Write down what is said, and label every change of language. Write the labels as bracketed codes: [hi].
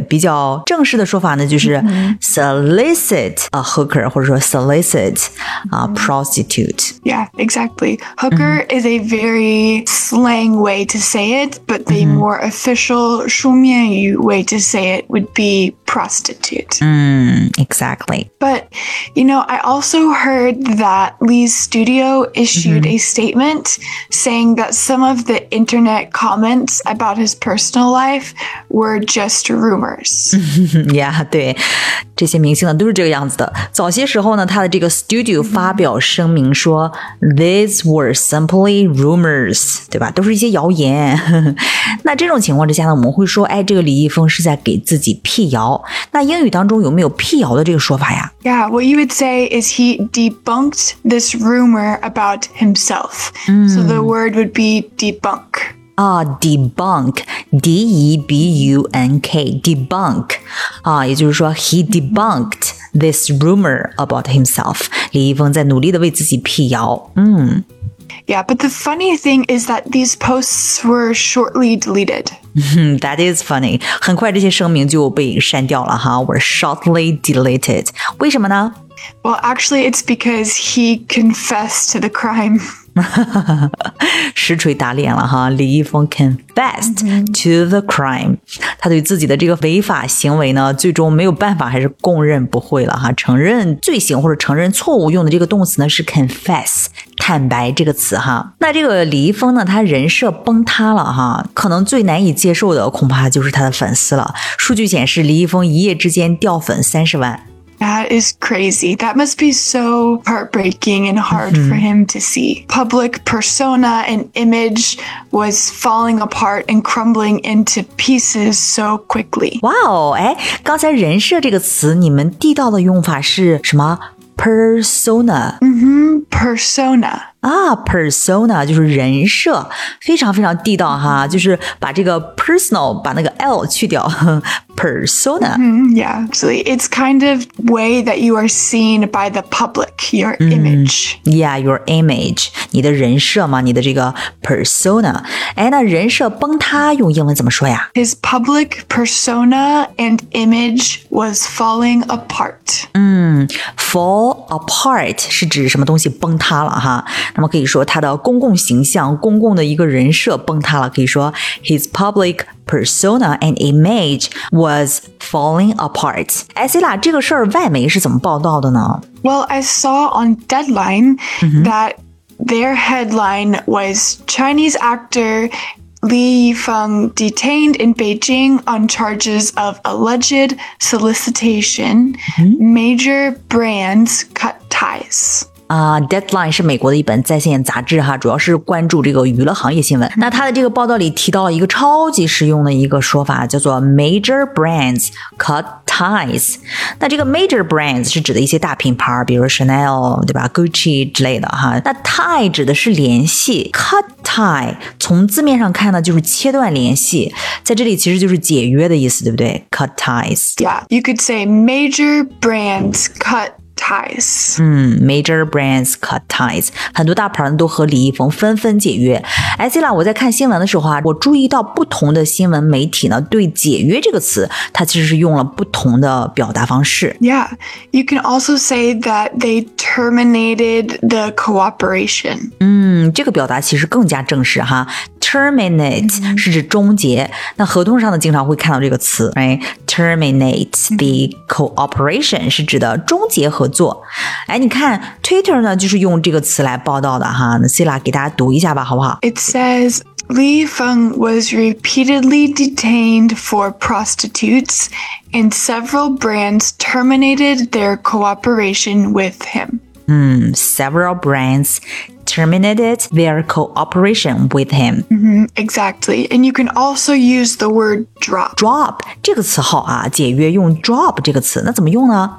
[zh] 比较正式的说法呢，就是 [en] solicit a hooker， [zh] 或者说 [en] solicit a prostitute。 Yeah, exactly. Hooker is a very slang way to say it, but the more official [zh] 书面语 [en] way to say it would be prostitute. Exactly. But you know, I also heard that Lee's studio issued a statement saying that some of the internet comments about his personal life were just rumors. [zh] Yeah, 对，这些明星呢都是这个样子的。早些时候呢，他的这个 studio 发表声明说 [en] these were simply rumors, [zh] 对吧？都是一些谣言。那这种情况之下呢，我们会说，哎，这个李易峰是在给自己辟谣。那英语当中有没有辟谣的这个说法呀？ [en] Yeah, what you would say is he debunked this rumor about himself. So the word would be debunk. Debunk. D-E-B-U-N-K. Debunk. [zh] 也就是说 [en] he debunked this rumor about himself. [zh] 李易峰在努力地为自己辟谣。 [en] Yeah, but the funny thing is that these posts were shortly deleted. That is funny. [zh] 很快这些声明就被删掉了哈。 [en] Were shortly deleted. [zh] 为什么呢？ [en] Well, actually, it's because he confessed to the crime. [zh] 实锤打脸了哈，李易峰 [en] confessed to the crime. [zh] 他对自己的这个违法行为呢，最终没有办法，还是供认不讳了哈。承认罪行或者承认错误用的这个动词呢，是 confess， 坦白这个词哈。那这个李易峰呢，他人设崩塌了哈，可能最难以接受的恐怕就是他的粉丝了。数据显示，李易峰一夜之间掉粉300,000。 [en] That is crazy. That must be so heartbreaking and hard for him to see. Public persona and image was falling apart and crumbling into pieces so quickly. [zh] Wow, 哎，刚才人设这个词，你们地道的用法是什么？ [en] Persona. Persona. [zh] 啊 persona 就是人设，非常非常地道哈，就是把这个 personal 把那个 L 去掉persona、 [en] mm-hmm, yeah absolutely it's kind of way that you are seen by the public your image、 mm-hmm. yeah your image [zh] 你的人设嘛，你的这个 persona 哎，那人设崩塌用英文怎么说呀 [en] his public persona and image was falling apart、 mm-hmm. fall apart [zh] 是指什么东西崩塌了哈那么可以说他的公共形象公共的一个人设崩塌了可以说 [en] his public persona and image was falling apart [zh] Sila 这个事儿外媒是怎么报道的呢 [en] Well I saw on Deadline、mm-hmm. that their headline was Chinese actor Li Yifeng detained in Beijing on charges of alleged solicitation、mm-hmm. major brands cut ties [zh] Deadline 是美国的一本在线杂志哈，主要是关注这个娱乐行业新闻。那他的这个报道里提到了一个超级实用的一个说法，叫做 [en] major brands cut ties。 [zh] 那这个 [en] major brands [zh] 是指的一些大品牌，比如 Chanel 对吧 ，Gucci 之类的哈。那 tie 指的是联系 ， [en] cut tie [zh] 从字面上看呢，就是切断联系，在这里其实就是解约的意思，对不对 ？ [en] Cut ties。 Yeah, you could say major brands cut. Ties. Major brands cut ties. [zh] 很多大牌都和李易峰纷纷解约。 Sila, 我在看新闻的时候啊，我注意到不同的新闻媒体呢，对解约这个词，它其实是用了不同的表达方式。 [en] Yeah, you can also say that they terminated the cooperation. [zh] 这个表达其实更加正式哈。 [en] Terminate、mm-hmm. [zh] 是指终结，那合同上呢经常会看到这个词 ，right? [en] Terminate the cooperation [zh] 是指的终结合作。哎，你看 Twitter 呢就是用这个词来报道的哈。那 Sila 给大家读一下吧，好不好 [en] ？It says Li Feng was repeatedly detained for prostitutes, and several brands terminated their cooperation with him. Several brands. Terminated their cooperation with him. Mm-hmm, exactly. And you can also use the word drop. [zh] Drop, 这个词好啊，解约用 drop 这个词，那怎么用呢？